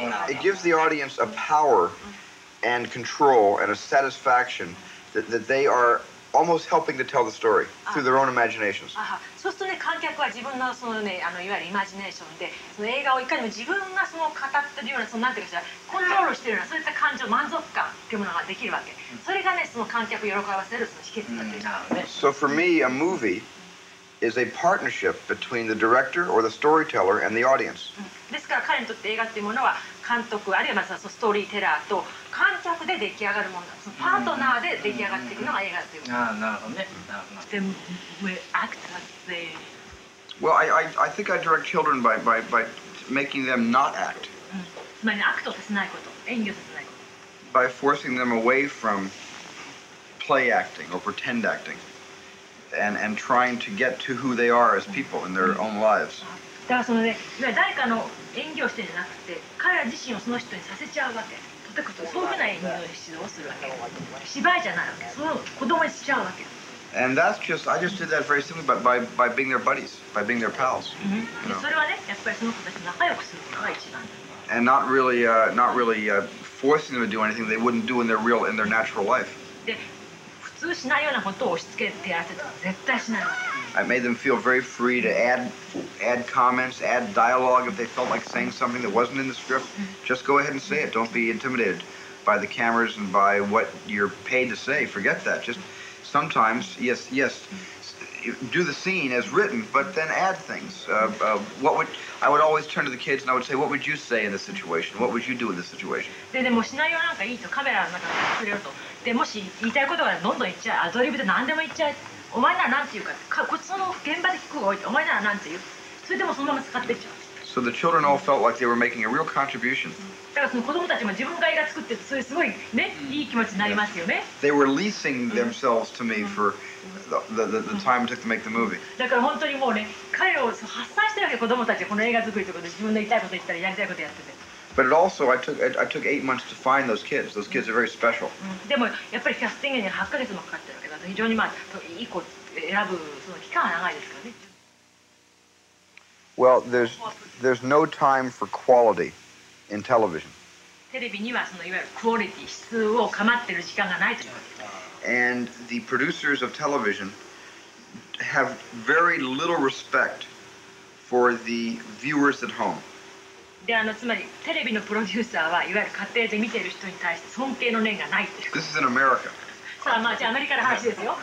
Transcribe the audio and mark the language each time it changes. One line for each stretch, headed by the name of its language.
English: It gives the audience a power and control and a satisfaction that they are almost helping to tell the story through their own imaginations.
Japanese: 観客は自分のそのね、あのいわゆるイマジネーションで、その映画をいかにも自分がその語ってるような、そのなんていうかしら、コントロールしてるような、そういった感情、満足感っていうものができるわけ。それがね、その観客を喜ばせるその秘訣だというのはね。
English: So for me, a movie is a partnership between the director or the storyteller and the audience.
Japanese: ですから彼にとって映画っていうものは監督あるいはまずはそのストーリーテラーと観客で出来上がるものだ。そのパートナーで出来上がっていくのが映画っていうこと。ああ、なるほどね。なるほど。
English: Then we act as they. Well, I think I direct children by making them not act.
Japanese: つまりアクトさせないこと、演技させないこと。
English: By forcing them away from play acting or pretend acting. And trying to get to who they are as people in their own lives.
Japanese: だからそのね、誰かの演技をしてんじゃなくて、彼ら自身をその人にさせちゃうわけ。とてもそういうふうな演技の指導をするわけ。芝居じゃないわけ。その子供にしちゃうわけ。
English: And that's just, I just did that very simply by being their buddies, by being their pals. You know?
Japanese: それはね、やっぱりその子たちと仲良くするのが一番。
English: And not really forcing them to do anything they wouldn't do in their natural life.
Japanese: 普通しないようなことを押し付けてやってたら絶対しない。
English: I made them feel very free to add comments, add dialogue if they felt like saying something that wasn't in the script. Just go ahead and say it. Don't be intimidated by the cameras and by what you're paid to say. Forget that. Just sometimes, yes, do the scene as written, but then add things. I would always turn to the kids and I would say, what would you say in this situation? What would you do in this situation?
Japanese: でもシナリオなんかいいとカメラの中で作れると。でもし言いたいことがどんどん言っちゃう、アドリブで何でも言っちゃう、お前なら何て言うか、こっちの現場で聞く方が多いと、お前なら何て言う、それでもそのまま使っていっちゃう。
English: So the children all felt like they were making a real contribution.
Japanese: だからその子供たちも自分が映画作ってると、それすごいね、いい気持ちになりますよね。
English: They were leasing themselves to me for the time it took to make the movie.
Japanese: だから本当にもうね、彼を発散してるわけ、子供たちこの映画作りってことで自分の言いたいこと言ったり、やりたいことやってて。
English: But it also, I took 8 months to find those kids. Those kids are very special.
Japanese: でもやっぱりキャスティングに8ヶ月もかかってるわけだと、非常にまあ、いい子を選ぶその期間は長いですからね。
English: Well, there's no time for quality in television.
Japanese: テレビにはそのいわゆるクオリティ、質を構ってる時間がないということです。
English: And the producers of television have very little respect for the viewers at home.
Japanese: であのつまりテレビのプロデューサーはいわゆる家庭で見ている人に対して尊敬の念がないって。
English: This is in America.
Japanese: さあまあじゃあアメリカの話ですよ。